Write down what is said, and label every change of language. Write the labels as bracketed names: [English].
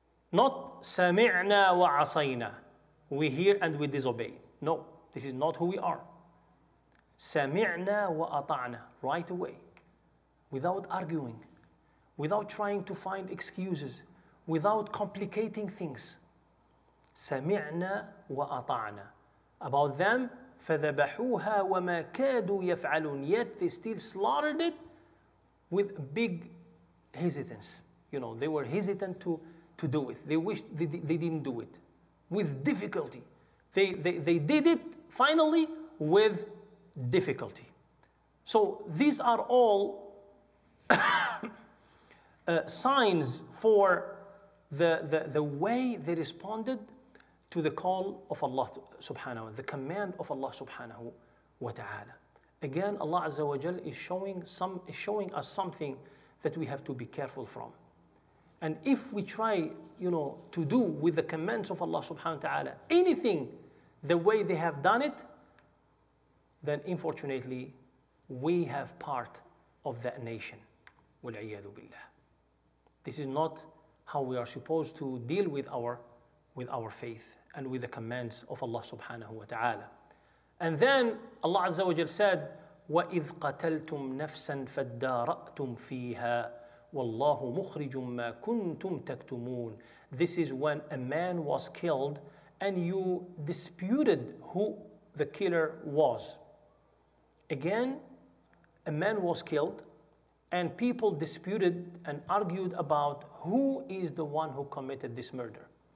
[English] Not [Arabic] سَمِعْنَا وَعَصَيْنَا, [English] we hear and we disobey. No, this is not who we are. [Arabic] سَمِعْنَا وَأَطَعْنَا, [English] right away. Without arguing, without trying to find excuses, without complicating things. [Arabic] سَمِعْنَا وَأَطَعْنَا. [English] About them, [Arabic] فَذَبَحُوهَا وَمَا كَادُوا يَفْعَلُونَ. [English] Yet they still slaughtered it with big hesitance. You know, they were hesitant to do it. They wished they didn't do it. With difficulty. They did it finally with difficulty. So these are all signs for the way they responded to the call of Allah subhanahu wa ta'ala, the command of Allah subhanahu wa ta'ala. Again, Allah Azza wa Jal is showing us something that we have to be careful from. And if we try, you know, to do with the commands of Allah subhanahu wa ta'ala anything the way they have done it, then unfortunately we have part of that nation. [Arabic] وَالْعِيَّذُ بِاللَّهِ. [English] This is not how we are supposed to deal with our faith and with the commands of Allah subhanahu wa ta'ala. And then Allah Azza wa Jal said, [Arabic] وَإِذْ قَتَلْتُمْ نَفْسًا فَادَّارَأْتُمْ فِيهَا وَاللَّهُ مُخْرِجٌ مَا كُنْتُمْ تَكْتُمُونَ. [English] This is when a man was killed and you disputed who the killer was. Again, a man was killed and people disputed and argued about who is the one who committed this murder.